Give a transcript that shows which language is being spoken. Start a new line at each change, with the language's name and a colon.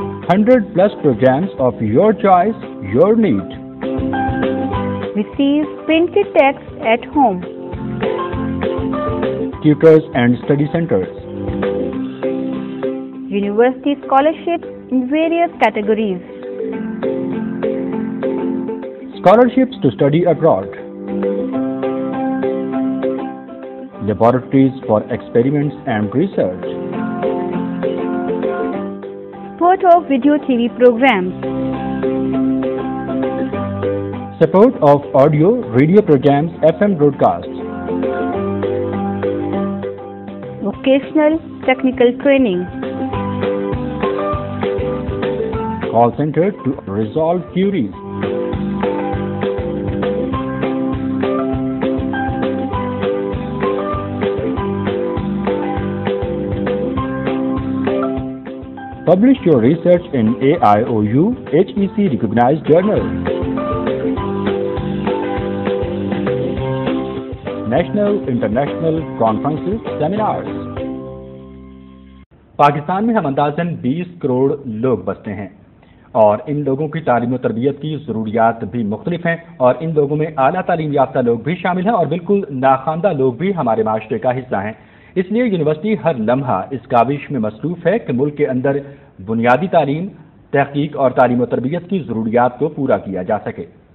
English: 100 plus programmes of your choice, your need, receive printed text at home, tutors and study centres, university scholarship in various categories, scholarships to study abroad, laboratories for experiments and research, support of video TV programs, support of audio radio programs, FM broadcasts, vocational technical training, call center to resolve queries, publish your research in AIOU HEC recognized journal, national international conferences seminars.
Urdu: Pakistan میں ہم اندازن 20 کروڑ لوگ بستے ہیں اور ان لوگوں کی تعلیم و تربیت کی ضروریات بھی مختلف ہیں، اور ان لوگوں میں اعلیٰ تعلیم یافتہ لوگ بھی شامل ہیں اور بالکل ناخواندہ لوگ بھی ہمارے معاشرے کا حصہ ہیں۔ اس لیے یونیورسٹی ہر لمحہ اس کاوش میں مصروف ہے کہ ملک کے اندر بنیادی تعلیم، تحقیق اور تعلیم و تربیت کی ضروریات کو پورا کیا جا سکے۔